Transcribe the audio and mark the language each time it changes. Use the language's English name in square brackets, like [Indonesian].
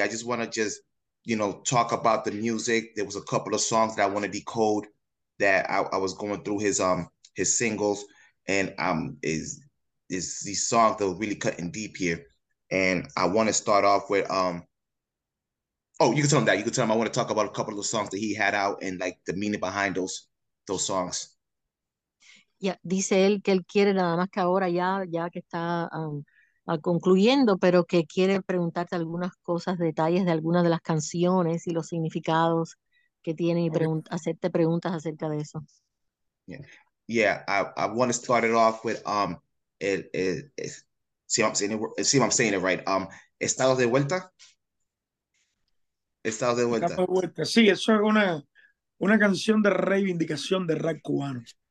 [English] I just want to just, you know, talk about the music. There was a couple of songs that I want to decode that I was going through his singles, and is these songs that were really cutting deep here. And I want to start off with you can tell him I want to talk about a couple of the songs that he had out and like the meaning behind those songs. [Spanish] Yeah, dice él que él quiere nada más que ahora ya que está concluyendo, pero que quiere preguntarte algunas cosas, detalles de algunas de las canciones y los significados que tienen y hacerte preguntas acerca de eso. [English] Yeah, I want to start it off with see if I'm saying it right. [Spanish] Estado de vuelta. Estado de vuelta. Estado de vuelta. Sí, eso es una canción de reivindicación de rap cubano.